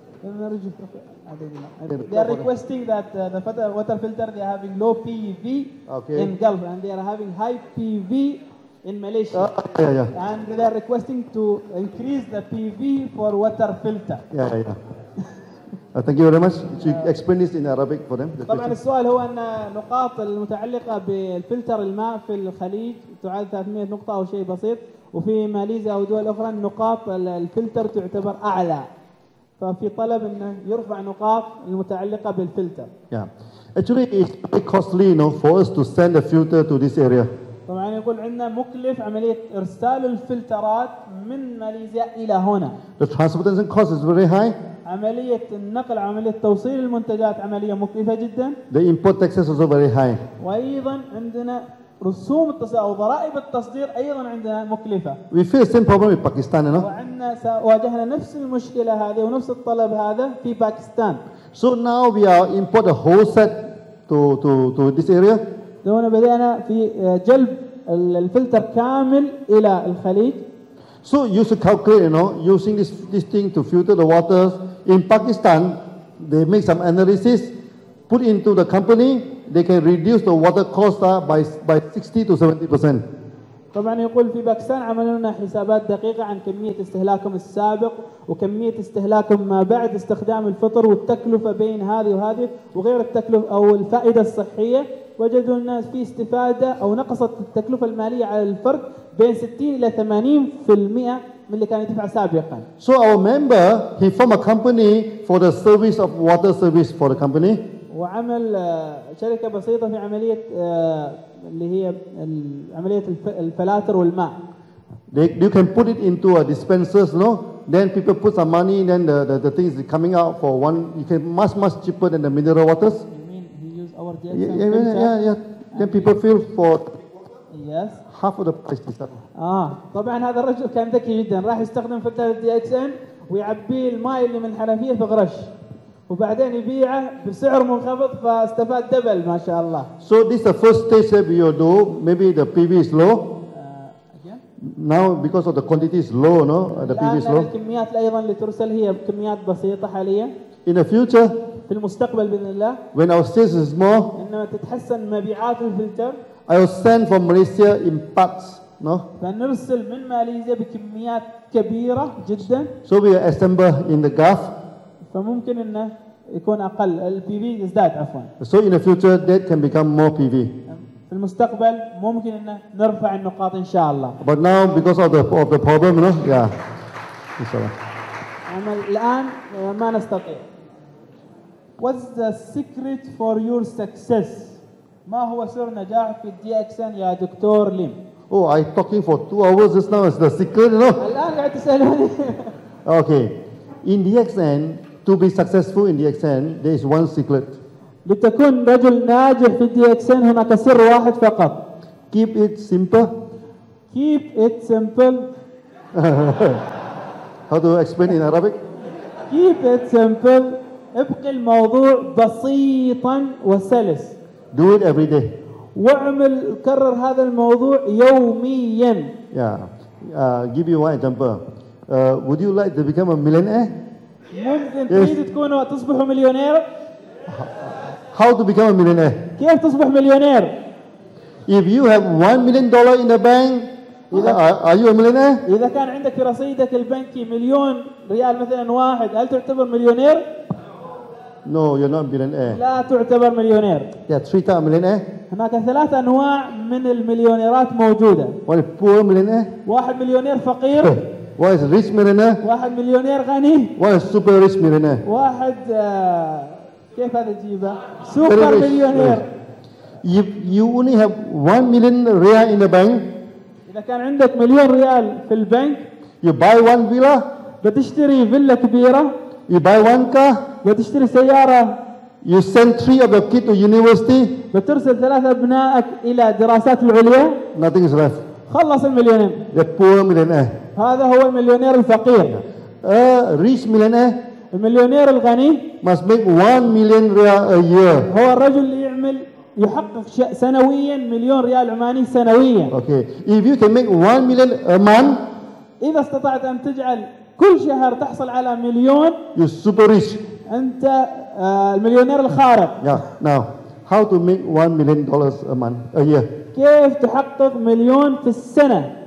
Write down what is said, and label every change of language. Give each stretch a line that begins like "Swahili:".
English: Then I They are requesting that the water filter they are having low PV okay. in Gulf and they are having high PV in Malaysia. Yeah, yeah. And they are requesting to increase the PV for water filter. Yeah, yeah. thank you very much. Should you explain this in Arabic for them? The
Arabic: طبعا
English: question.
Arabic: السؤال هو أن نقاط المتعلقة بالفلتر الماء في الخليج تعادل 300 نقطة أو شيء بسيط وفي ماليزيا أو دول أخرى نقاط الفلتر تعتبر أعلى. ففي طلب انه يرفع نقاط المتعلقه بالفلتر.
English: Yeah. Actually it's very costly you know, for us to send a filter to this area.
Arabic: طبعا يقول عندنا مكلف عمليه ارسال الفلترات من ماليزيا الى هنا.
English: The transportation cost is very high.
Arabic: عمليه النقل عمليه توصيل المنتجات عمليه مكلفه جدا.
English: The import taxes also very high.
Arabic: وايضا عندنا رسوم التصدير أو ضرائب التصدير أيضا عندنا مكلفة.
English: We face same problem with Pakistan, you know.
Arabic: وعندنا واجهنا نفس المشكلة هذه ونفس الطلب هذا في باكستان.
English: So now we are import a whole set to this area.
Arabic: دونا بدأنا في جلب الفلتر كامل إلى الخليج.
English: So you should calculate, you know, using this thing to filter the waters in Pakistan. They make some analysis, put into the company. They can reduce the water cost by 60 to 70%.
Arabic: طبعا يقول في باكستان عملوا لنا حسابات دقيقة عن كمية استهلاكهم السابق وكمية استهلاكهم ما بعد استخدام الفطر والتكلفة بين هذه وهذه وغير التكلفة أو الفائدة الصحية وجدوا الناس في استفادة أو نقصت التكلفة المالية على الفرد بين 60 إلى 80% من اللي كان يدفع سابقا.
English: So our member he formed a company for the service of water service for the company.
Arabic: وعمل شركة بسيطة في عملية اللي هي عملية الفلاتر والماء.
English: You can put it into a dispensers, no? Then people put some money, then the thing is coming out for one. You can much cheaper than the mineral waters. You mean he use our DXN? Yeah. Then people fill for. Yes. Half of the price is that.
Arabic: طبعا هذا الرجل كان ذكي جدا راح يستخدم فلتر DXN ويعبي الماء اللي من الحنفية في غرش. وبعدين يبيعه بسعر منخفض فاستفاد دبل ما شاء الله.
English: So this is the first stage that you do. Maybe the PV is low. Now because of the quantity is low, no, the PV is low.
Arabic: الكميات أيضا اللي ترسل هي كميات بسيطة حاليا.
English: In the future.
Arabic: في المستقبل بإذن الله.
English: When our sales is more.
Arabic: إنما تتحسن مبيعات الفلتر.
English: I will send from Malaysia in packs. No.
Arabic: فنرسل من ماليزيا بكميات كبيرة جدا.
English: So we assemble in the Gulf.
Arabic: فممكن إنه يكون أقل. ال PV يزداد عفوا.
English: So in the future that can become more PV.
Arabic: في المستقبل ممكن إنه نرفع النقاط إن شاء الله.
English: But now because of the problem, no, yeah.
Arabic: إن شاء الله. أما الآن ما نستطيع.
English: What's the secret for your success?
Arabic: ما هو سر نجاح في DXN يا دكتور ليم؟
English: Oh, I talking for 2 hours just now. It's the secret, no?
Arabic: الآن قاعد تسألني.
English: Okay. In DXN, to be successful in DXN, there is one secret.
Arabic: لتكون رجل ناجح في DXN هناك سر واحد فقط.
English: Keep it simple. Keep it simple. How do you explain in Arabic? Keep it simple.
Arabic: ابقي الموضوع بسيطا وسلس.
English: Do it every day.
Arabic: واعمل كرر هذا الموضوع يوميا.
English: Yeah. Give you one example. Would you like to become a millionaire?
Arabic: ممكن تريد تكون تصبح مليونير.
English: How to become a millionaire?
Arabic: كيف تصبح مليونير؟
English: If you have $1 million in the bank, are you a millionaire?
Arabic: إذا كان عندك في رصيدك البنكي مليون ريال مثلاً واحد، هل تعتبر مليونير؟
English: No, you're not a millionaire.
Arabic: لا تعتبر مليونير.
English: There are 3 types of millionaire.
Arabic: هناك 3 أنواع من المليونيرات موجودة.
English: One is poor millionaire.
Arabic: واحد مليونير فقير.
English: One is rich millionaire.
Arabic: واحد مليونير غني.
English: One is super rich millionaire.
Arabic: واحد كيف هذا تجيبه؟ سوبر مليونير.
English: If you only have 1 million riyal in the bank.
Arabic: إذا كان عندك مليون ريال في البنك.
English: You buy 1 villa.
Arabic: بتشتري فيلا كبيرة.
English: You buy 1 car.
Arabic: بتشتري سيارة.
English: You send 3 of your kids to university.
Arabic: بترسل 3 أبنائك إلى دراسات العليا.
English: Nothing is left.
Arabic: خلص المليونير.
English: The poor millionaire.
Arabic: هذا هو المليونير الفقير.
English: Rich millionaire.
Arabic: المليونير الغني.
English: Must make 1 million riyal a year.
Arabic: هو الرجل اللي يعمل يحقق سنويا
English: 1 million riyal
Arabic: عماني سنويا.
English: Okay. If you can make 1 million a month.
Arabic: إذا استطعت أن تجعل كل شهر تحصل على 1 million.
English: You're super rich.
Arabic: أنت المليونير الخارق.
English: Yeah. Now, how to make $1 million a month a year?
Arabic: كيف تحقق 1 million في السنة؟